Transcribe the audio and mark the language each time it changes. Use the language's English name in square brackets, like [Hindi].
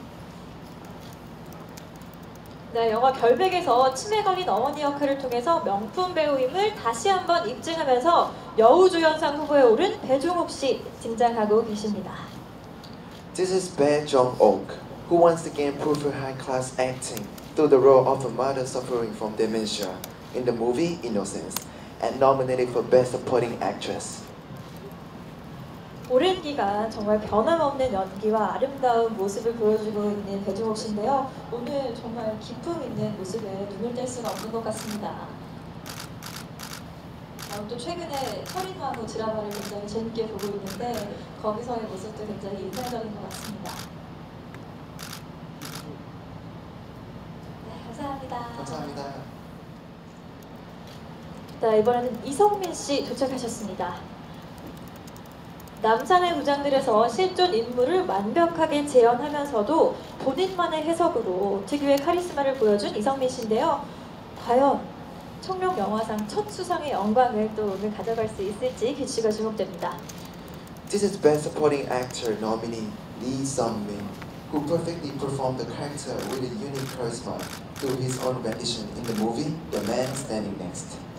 [Korean] 감사합니다. 네, 영화 결백에서 치매 걸린 어머니 역할을 통해서 명품 배우임을 다시 한번 입증하면서 여우주연상 후보에 오른 배종옥 씨 등장하고 계십니다. [English] This is Bae Jong-ok, who once again proved her high class acting through the role of a mother suffering from dementia in the movie Innocence. And nominated for Best Supporting Actress. [Korean] 오랜 기간 정말 변함없는 연기와 아름다운 모습을 보여주고 있는 배종옥 씨인데요. 오늘 정말 기쁨 있는 모습에 눈을 뗄 수는 없는 것 같습니다. 또 최근에 철인왕후 드라마를 굉장히 재밌게 보고 있는데 거기서의 모습도 굉장히 인상적인 것 같습니다. 네, 감사합니다. 감사합니다. 자, 이번에는 이성민 씨 도착하셨습니다. 남산의 무장들에서 실존 인물을 완벽하게 재현하면서도 본인만의 해석으로 특유의 카리스마를 보여준 이성민 씨인데요. 과연 청룡 영화상 첫 수상의 영광을 또 오늘 가져갈 수 있을지 기대가 주목됩니다. [English] This is Best Supporting Actor nominee Lee Sung-min, who perfectly performed the character with a unique charisma through his own rendition in the movie The Man Standing Next.